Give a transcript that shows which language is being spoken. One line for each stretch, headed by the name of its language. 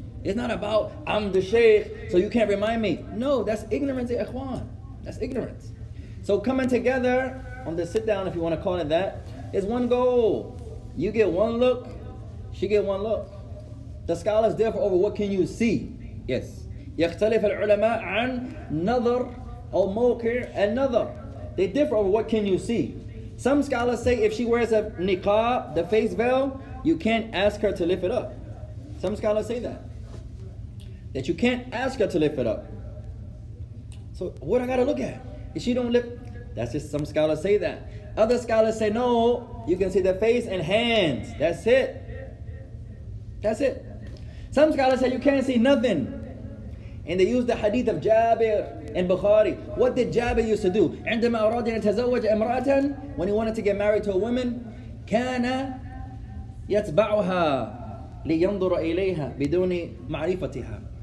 English: It's not about, I'm the sheikh, so you can't remind me. No, that's ignorance, ikhwan. That's ignorance. So coming together on the sit down, if you want to call it that, is one goal. You get one look, she get one look. The scholars differ over what can you see. Yes.
Arabic: يختلف العلماء عن نظر أو موقع النظر.
English: They differ over what can you see. Some scholars say if she wears a niqab, the face veil, you can't ask her to lift it up. Some scholars say that. That you can't ask her to lift it up. So what I gotta look at? If she don't lift, that's just some scholars say that. Other scholars say no, you can see the face and hands. That's it. That's it. Some scholars say you can't see nothing. And they use the hadith of Jabir and Bukhari. What did Jabir used to do?
Arabic: عندما أراد أن يتزوج امرأة,
English: when he wanted to get married to a woman,
Arabic: كان يتبعها لينظر إليها بدون معرفتها.